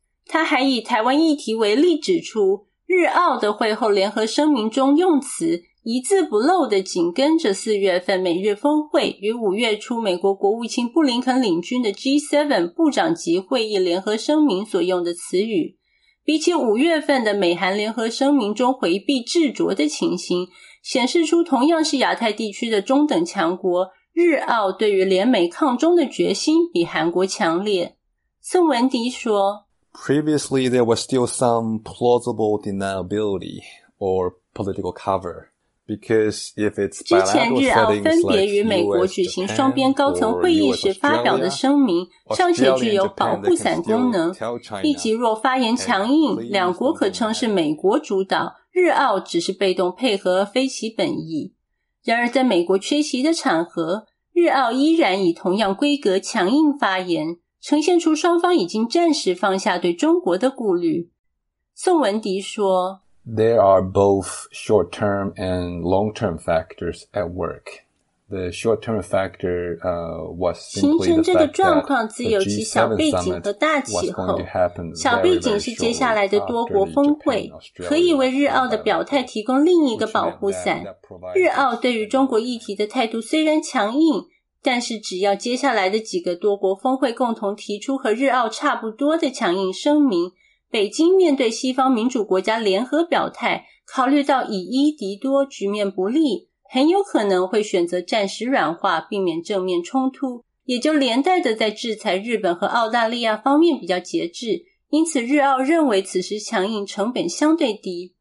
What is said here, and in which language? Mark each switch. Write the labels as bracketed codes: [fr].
[zh] 他还以台湾议题为例，指出日澳的会后联合声明中用词一字不漏地紧跟着4月份美日峰会与5月初美国国务卿布林肯领军的 G7 部长级会议联合声明所用的词语。比起5月份的美韩联合声明中回避制酌的情形，显示出同样是亚太地区的中等强国，日澳对于联美抗中的决心比韩国强烈。宋文迪说， [en] Previously there was still some plausible deniability or political cover. [zh] 之前日澳分别与美国举行双边高层会议时发表的声明尚且具有保护伞功能，以及若发言强硬，两国可称是美国主导，日澳只是被动配合非其本意。然而在美国缺席的场合，日澳依然以同样规格强硬发言，呈现出双方已经暂时放下对中国的顾虑。宋文迪说， [en] There are both short-term and long-term factors at work. The short-term factor was simply the fact that the G7 summit was going to happen very, very shortly after the Japan and Australia. [zh] 可以为日澳的表态提供另一个保护伞。日澳对于中国议题的态度虽然强硬，但是只要接下来的几个多国峰会共同提出和日澳差不多的强硬声明，北京面对西方民主国家联合表态，考虑到以一敌多局面不利，很有可能会选择暂时软化，避免正面冲突，也就连带的在制裁日本和澳大利亚方面比较节制，因此日澳认为此时强硬成本相对低。